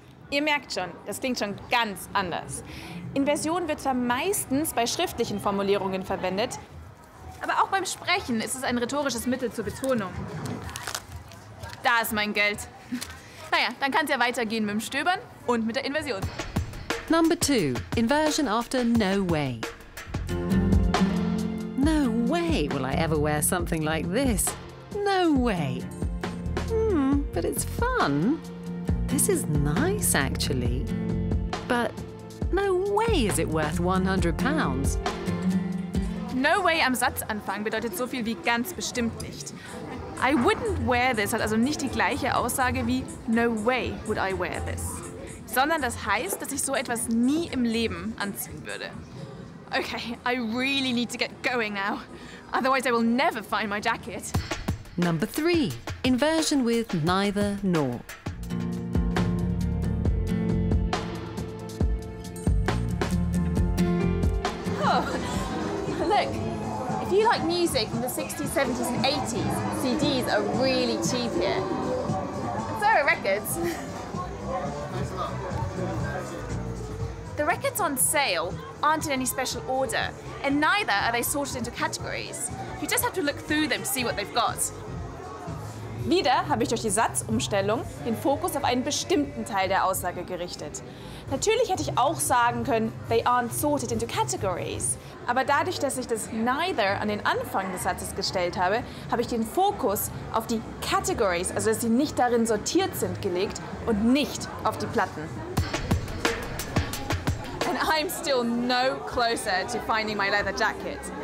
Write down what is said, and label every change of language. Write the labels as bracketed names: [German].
[German] Ihr merkt schon, das klingt schon ganz anders. Inversion wird zwar meistens bei schriftlichen Formulierungen verwendet, aber auch beim Sprechen ist es ein rhetorisches Mittel zur Betonung. Da ist mein Geld. Naja, dann kann es ja weitergehen mit dem Stöbern und mit der Inversion. [English] Number two, inversion after no way. No way will I ever wear something like this. No way. But it's fun. This is nice, actually. But no way is it worth £100. [German] No way am Satzanfang bedeutet so viel wie ganz bestimmt nicht. [English] I wouldn't wear this hat [German] also nicht die gleiche Aussage wie [English] no way would I wear this. [German] Sondern das heißt, dass ich so etwas nie im Leben anziehen würde. [English] Okay, I really need to get going now. Otherwise I will never find my jacket. Number three, inversion with neither nor. Oh, look, if you like music from the 60s, 70s and 80s, CDs are really cheap here. And so are records. The records on sale aren't in any special order, and neither are they sorted into categories. You just have to look through them to see what they've got. [German] Wieder habe ich durch die Satzumstellung den Fokus auf einen bestimmten Teil der Aussage gerichtet. Natürlich hätte ich auch sagen können, [English] they aren't sorted into categories. [German] Aber dadurch, dass ich das neither an den Anfang des Satzes gestellt habe, habe ich den Fokus auf die categories, also dass sie nicht darin sortiert sind, gelegt und nicht auf die Platten. [English] And I'm still no closer to finding my leather jacket.